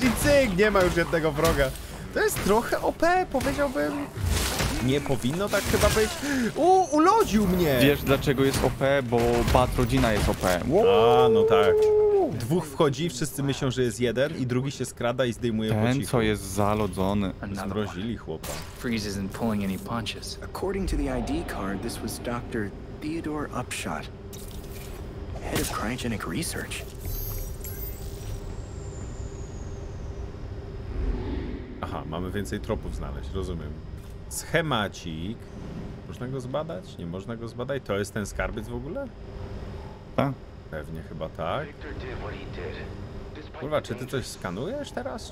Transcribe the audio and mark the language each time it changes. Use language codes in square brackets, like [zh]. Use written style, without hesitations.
[pl] I cyk, nie ma już jednego wroga. To jest trochę OP, powiedziałbym. Nie powinno tak chyba być. Ulodził mnie! Wiesz dlaczego jest OP? Bo Bat rodzina jest OP. A, no tak. Dwóch wchodzi, wszyscy myślą, że jest jeden i drugi się skrada i zdejmuje ten, po cichu. Ten, co jest zalodzony. Zmrozili chłopa. [en] Freeze isn't pulling any punches. According to the ID card, this was Dr. Theodore Upshot, head of cryogenic research. [pl] Aha, mamy więcej tropów znaleźć, rozumiem. Schemacik. Można go zbadać? Nie można go zbadać? To jest ten skarbiec w ogóle? Tak. Pewnie chyba tak. Kurwa, czy ty coś skanujesz teraz?